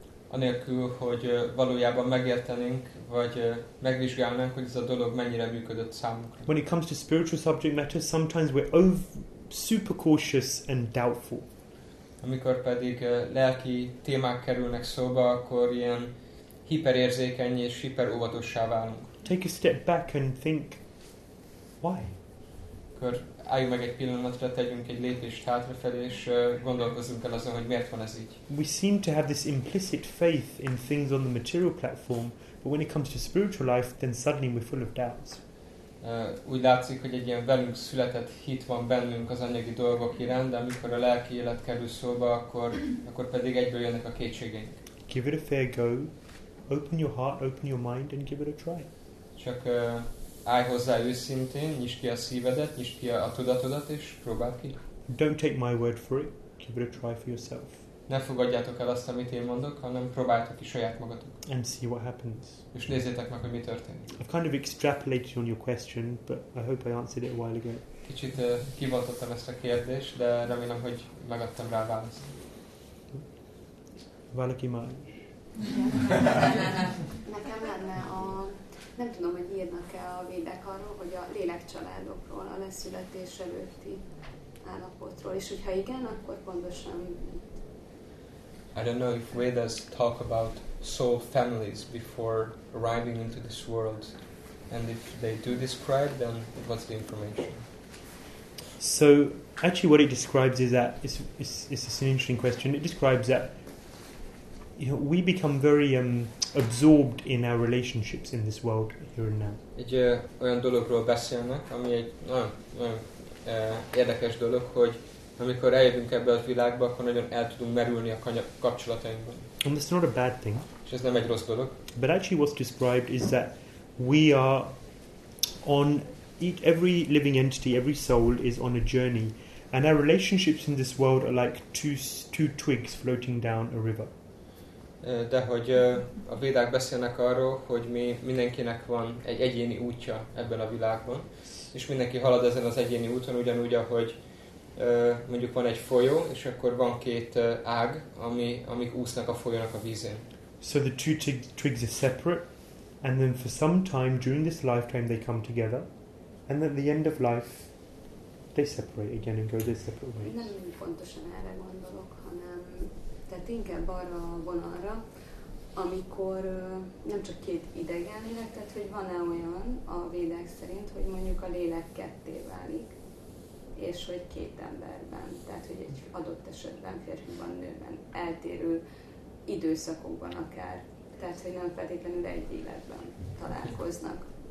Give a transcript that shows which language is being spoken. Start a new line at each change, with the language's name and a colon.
Hungarian: Anélkül, hogy valójában megértenénk, vagy megvizsgálnánk, hogy ez a dolog mennyire működött számunkra.
English: When it comes to spiritual subject matters, sometimes we're over super cautious and doubtful.
Hungarian: amikor pedig lelki témák kerülnek szóba, akkor ilyen hiperérzékeny és hiperóvatossá válunk.
English: Take a step back and think, why?
Hungarian: Akkor álljunk meg egy pillanatra, tegyünk egy lépést hátrafelé, és gondolkozzunk el azon, hogy miért van ez így.
English: We seem to have this implicit faith in things on the material platform, but when it comes to spiritual life, then suddenly we're full of doubts.
Hungarian: Úgy látszik, hogy egy ilyen velünk született hit van bennünk az anyagi dolgok iránt, de amikor a lelki élet kerül szóba, akkor pedig egyből jönnek a kétségeink.
English: Give it a fair go. Open your heart, open your mind, and give it a try.
Hungarian: Csak állj hozzá őszintén, nyisd ki a szívedet, nyisd ki a tudatodat, és próbáld ki.
English: Don't take my word for it. Give it a try for yourself.
Hungarian: Ne fogadjátok el azt, amit én mondok, hanem próbáltok ki saját magatok.
English: And see what happens.
Hungarian: És nézzétek meg, hogy mi történik.
English: I've kind of extrapolated on your question, but I hope I answered it a while ago.
Hungarian: Kicsit kivontottam ezt a kérdést, de remélem, hogy megadtam rá a választ. Valaki már? Nekem lenne a... Nem tudom, hogy írnak-e a védek arról, hogy a lélekcsaládokról, a leszületés előtti állapotról, és hogyha igen, akkor pontosan...
English: I don't know if Vedas talk about soul families before arriving into this world, and if they do describe, then what's the information? So actually, what it describes is that it's an interesting question. It describes that, you know, we become very absorbed in our relationships in this world here and now.
Hungarian: Egy olyan dologról beszélnek, ami egy nagyon érdekes dolog, hogy amikor eljövünk ebbe a világba, akkor nagyon el tudunk merülni a kapcsolatainkban.
English: And it's not a bad thing.
Hungarian: És ez nem egy rossz dolog.
English: But actually what's described is that we are on every living entity, every soul is on a journey, and our relationships in this world are like two twigs floating down a river.
Hungarian: De hogy a védák beszélnek arról, hogy mi mindenkinek van egy egyéni útja ebben a világban, és mindenki halad ezen az egyéni úton, ugyanúgy, ahogy mondjuk van egy folyó, és akkor van két ág, amik úsznak a folyónak a vízén.
English: So the two twigs are separate, and then for some time during this lifetime they come together, and at the end of life they separate again and go their separate ways.
Hungarian: Nem pontosan erre gondolok, hanem tehát inkább arra a vonalra, amikor nem csak két idegen lélek, tehát hogy van-e olyan a védek szerint, hogy mondjuk a lélek ketté válik, és hogy két emberben, tehát hogy egy adott esetben férfiban, nőben, eltérő időszakokban akár, tehát hogy nem feltétlenül egy életben találkoznak.